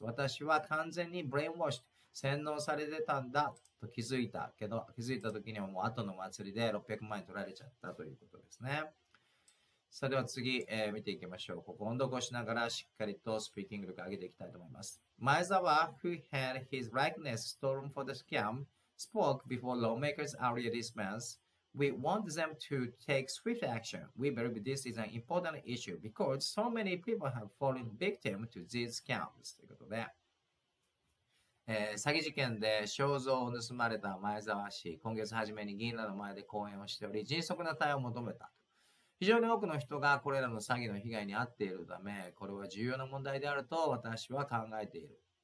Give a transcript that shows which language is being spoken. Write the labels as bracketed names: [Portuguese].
[Japanese] 私は完全に brainwashed 洗脳されてたんだと気づいたけど、気づいた時にはもう後の祭りで600万円取られちゃったということですね。それでは次、見ていきましょう。ここ音読をしながらしっかりとスピーキング力を上げていきたいと思います。 [English] Maezawa, who had his likeness stolen for the scam, spoke before lawmakers earlier this month. We want them to take swift action. We believe this is an important issue because so many people have fallen victim to these scams. [Japanese] ということで、詐欺事件で肖像を盗まれた Maezawa 氏、今月初めに議員らの前で講演をしており、迅速な対応を求めた。非常に多くの人がこれらの詐欺の被害に遭っているため、これは重要な問題であると私は考えている。